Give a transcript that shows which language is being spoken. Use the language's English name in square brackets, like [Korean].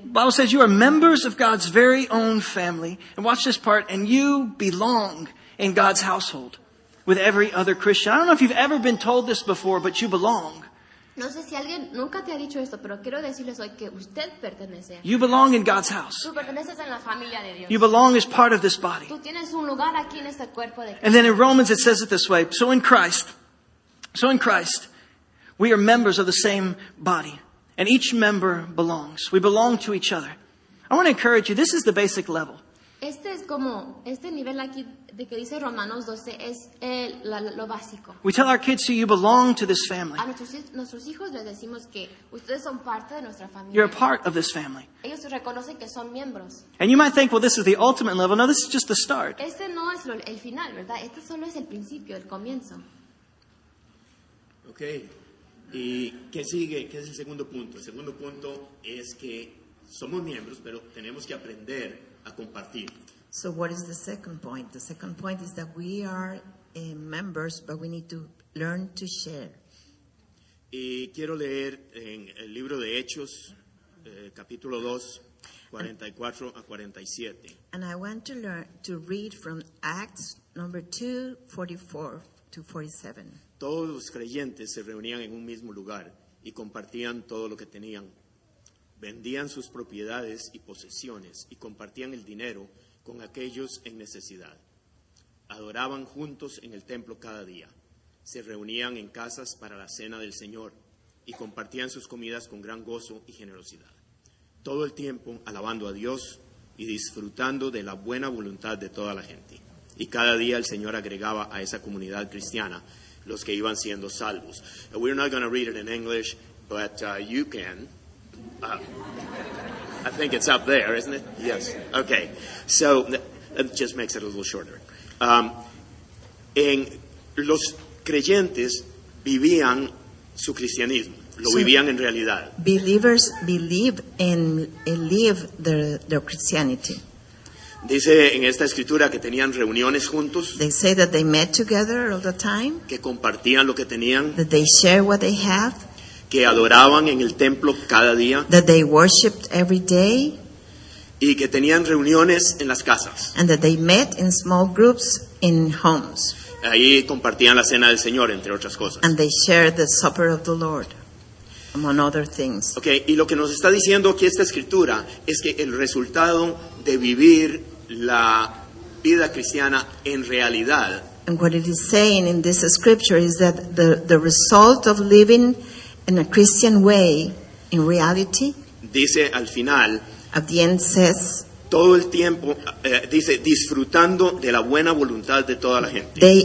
[English] Bible says you are members of God's very own family. And watch this part. And you belong in God's household with every other Christian. I don't know if you've ever been told this before, but you belong. [Spanish] No sé si alguien nunca te ha dicho esto, pero quiero decirles hoy que usted pertenece. [English] You belong in God's house. [Spanish] Tú perteneces en la familia de Dios. [English] You belong as part of this body. [Spanish] Tú tienes un lugar aquí en este cuerpo de Cristo. [English] And then in Romans it says it this way. So in Christ, we are members of the same body. And each member belongs. We belong to each other. I want to encourage you. This is the basic level. [Spanish] Este es como este nivel aquí de que dice Romanos 12 es lo básico. [English] We tell our kids, "See, you belong to this family." [Spanish] A nuestros hijos les decimos que ustedes son parte de nuestra familia. [English] You're a part of this family. [Spanish] Ellos reconocen que son miembros. [English] And you might think, "Well, this is the ultimate level." No, this is just the start. [Spanish] Este no es el final, ¿verdad? Este solo es el principio, el comienzo. Okay. ¿Y qué sigue? ¿Qué es el segundo punto? El segundo punto es que somos miembros, pero tenemos que aprender a compartir. [English] So what is the second point? The second point is that we are members, but we need to learn to share. [Spanish] Y quiero leer en el libro de Hechos, capítulo 2, 44 a 47. [English] And I want to learn to read from Acts number 2, 44 to 47. [Spanish] Todos los creyentes se reunían en un mismo lugar y compartían todo lo que tenían. Vendían sus propiedades y posesiones y compartían el dinero con aquellos en necesidad. Adoraban juntos en el templo cada día. Se reunían en casas para la cena del Señor y compartían sus comidas con gran gozo y generosidad. Todo el tiempo alabando a Dios y disfrutando de la buena voluntad de toda la gente. Y cada día el Señor agregaba a esa comunidad cristiana los que iban siendo salvos. [English] We're not going to read it in English, but you can. I think it's up there, isn't it? Yes. Okay. So, it just makes it a little shorter. [Spanish] En los creyentes vivían su cristianismo. Lo vivían en realidad. [English] Believers believe and live their Christianity. [Spanish] Dice en esta escritura que tenían reuniones juntos. [English] They say that they met together all the time. [Spanish] Que compartían lo que tenían. [English] That they share what they have. [Spanish] Que adoraban en el templo cada día. [English] That they worshipped every day. [Spanish] Y que tenían reuniones en las casas. [English] And that they met in small groups in homes. [Spanish] Ahí compartían la cena del Señor, entre otras cosas. [English] And they shared the supper of the Lord, among other things. [Spanish] Okay, y lo que nos está diciendo aquí esta escritura es que el resultado de vivir la vida cristiana en realidad. [English] And what it is saying in this scripture is that the result of living in a Christian way, in reality, [Spanish] dice al final, [English] at the end says, [Spanish] todo el tiempo, dice, disfrutando de la buena voluntad de toda la gente.